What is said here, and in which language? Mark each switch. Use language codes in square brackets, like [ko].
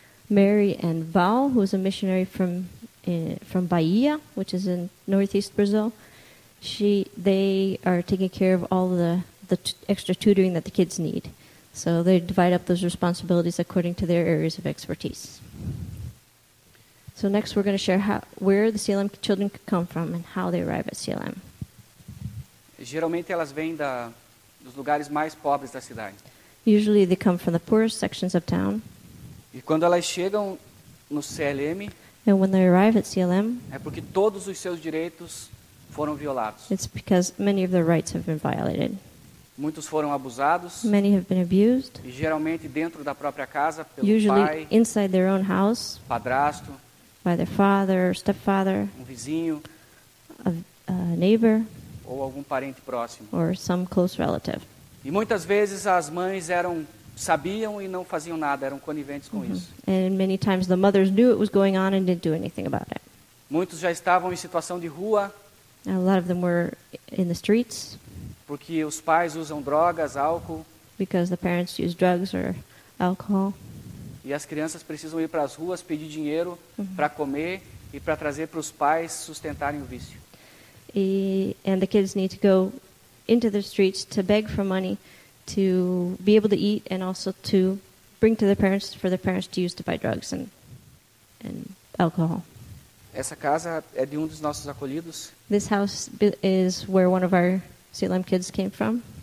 [en] Mary and Val, who is a missionary from Bahia, which is in northeast Brazil, they are taking care of all the extra tutoring that the kids need. So they divide up those responsibilities according to their areas of expertise. So next we're going to share where the CLM children come from and how they arrive at CLM. [pt] Geralmente elas vêm dos lugares mais pobres da cidade. [en] Usually they come from the poorest sections of town. [pt] E quando elas chegam no CLM, [en] and when they arrive at CLM, [pt] é porque todos os seus direitos foram violados. [en] It's because many of their rights have been violated. [pt] Muitos foram abusados. [en] Many have been abused. [pt] E geralmente dentro da própria casa, pelo [en] usually [pt] pai, [en] inside their own house, [pt] padrasto, [en] by their father or stepfather, [pt] um vizinho, [en] a neighbor, [pt] ou algum parente próximo, [en] or some close relative. [pt] E muitas vezes as mães eram sabiam e não faziam nada, eram coniventes com isso. [en] And many times the mothers knew it was going on and didn't do anything about it. [pt] Muitos já estavam em situação de rua. [en] A lot of them were in the streets. [pt] Porque os pais usam drogas, álcool. [en] Because the parents use drugs or alcohol. [pt] E as crianças precisam ir para as ruas pedir dinheiro para comer e para trazer para os pais sustentarem o vício. [en] And the kids need to go into the streets to beg for money to be able to eat and also to bring to their parents for their parents to use to buy drugs and alcohol. [pt] Essa casa é de dos nossos acolhidos. [en] This house is where one of our CLM kids came from.